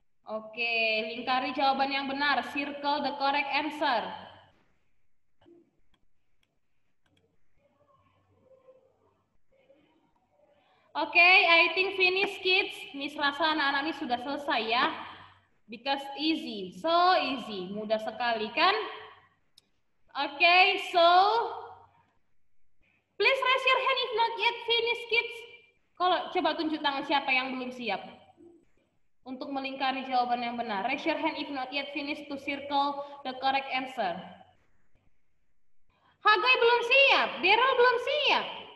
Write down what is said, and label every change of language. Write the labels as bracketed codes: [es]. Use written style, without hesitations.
[id] Oke, lingkari jawaban yang benar. [en] Circle the correct answer. [id] Oke, okay, [en] I think finish kids. [id] Miss rasa anak-anak ini sudah selesai ya. [en] Because easy, so easy. [id] Mudah sekali kan? [en] Oke, okay, so please raise your hand if not yet finish kids. [id] Kalau coba tunjuk tangan siapa yang belum siap untuk melingkari jawaban yang benar. [en] Raise your hand if not yet finish to circle the correct answer. [id] Hagoy belum siap, Daryl belum siap.